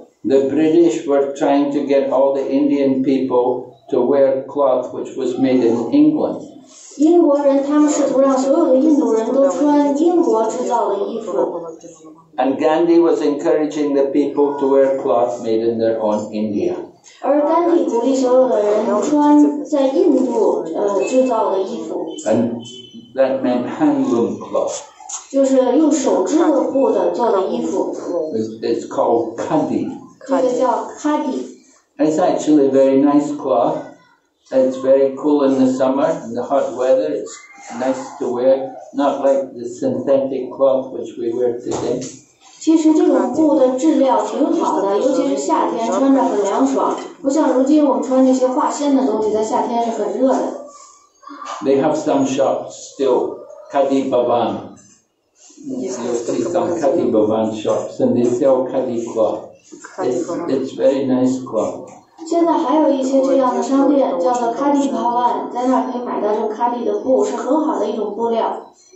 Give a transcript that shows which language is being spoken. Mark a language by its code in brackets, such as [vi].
[en] The British were trying to get all the Indian people to wear cloth which was made in England. [zh] 英国人他们试图让所有的印度人都穿英国制造的衣服。 [en] And Gandhi was encouraging the people to wear cloth made in their own India. [zh] 而甘地鼓励所有的人穿在印度制造的衣服。 [en] And that meant handloom cloth. [zh] 就是用手织的布的做的衣服。 [en] It's called khadi. [zh] 这个叫 khadi. [en] It's actually very nice cloth. It's very cool in the summer, in the hot weather. It's nice to wear. Not like the synthetic cloth which we wear today. [zh] 其实这种布的质量挺好的，尤其是夏天穿着很凉爽，不像如今我们穿那些化纤的东西，在夏天是很热的。 [en] They have some shops still, Khadi Bhavan. You'll see some Khadi Bhavan shops, and they sell Khadi cloth. It's very nice cloth. [zh] 现在还有一些这样的商店叫做 Khadi Bhavan, 在那儿可以买到这种 Khadi 的布，是很好的一种布料。